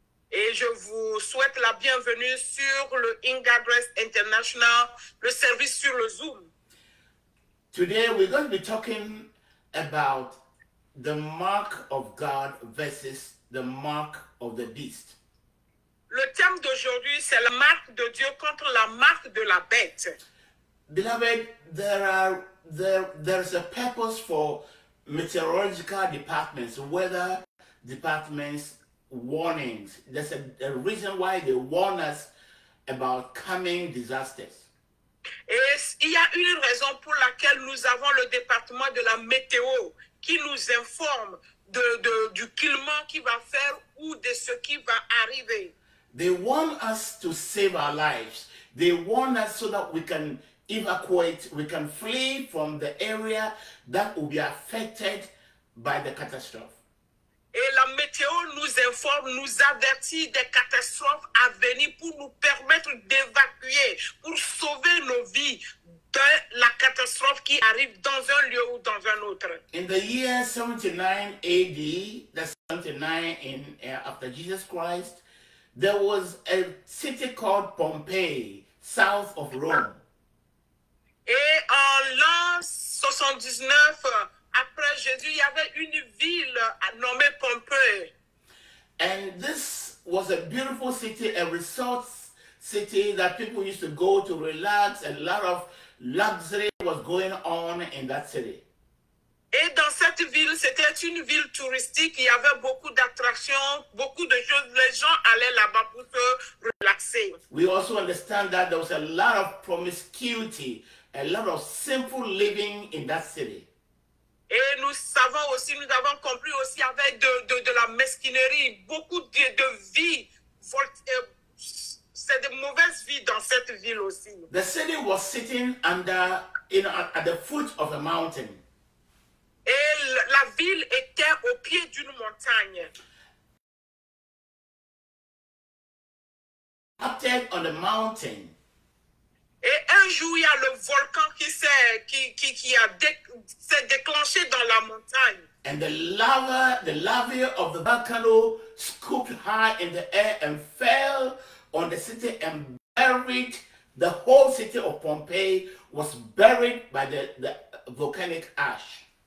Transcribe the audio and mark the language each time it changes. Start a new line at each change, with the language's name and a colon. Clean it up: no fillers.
French: Et je vous souhaite la bienvenue sur le Ingagress International, le service sur le Zoom.
English: Today we're going to be talking about the mark of God versus the mark of the beast.
French: Le thème d'aujourd'hui, c'est la marque de Dieu contre la marque de la bête.
English: Beloved, there's a purpose for meteorological departments, weather departments, warnings. There's a reason why they warn us about coming disasters.
French: Et il y a une raison pour laquelle nous avons le département de la météo qui nous informe du climat qui va faire ou de ce qui va arriver.
English: They want us to save our lives. They warn us so that we can evacuate, we can flee from the area that will be affected by the catastrophe.
French: Et la météo nous informe, nous avertit des catastrophes à venir pour nous permettre d'évacuer, pour sauver nos vies de la catastrophe qui arrive dans un lieu ou dans un autre.
English: In the year 79 AD, that's 79 after Jesus Christ, there was a city called Pompeii, south of Rome.
French: Et en l'an 79, après Jésus, il y avait une ville nommée Pompeii.
English: And this was a beautiful city, a resort city that people used to go to relax. A lot of luxury was going on in that city.
French: Et dans cette ville, c'était une ville touristique. Il y avait beaucoup d'attractions, beaucoup de choses. Les gens allaient là-bas pour se relaxer.
English: We also understand that there was a lot of promiscuity, a lot of simple living in that city.
French: Et nous savons aussi, nous avons compris aussi avec de la mesquinerie, beaucoup de vie. C'est de mauvaise vie dans cette ville aussi.
English: The city was sitting under, you know, at the foot of a mountain.
French: Et la ville était au pied d'une montagne.
English: Captured on the mountain.
French: Et un jour, il y a le volcan qui s'est déclenché dans la montagne.
English: And the lava of the volcano scooped high in the air and fell on the city and buried the whole city of Pompeii was buried by the volcanic ash.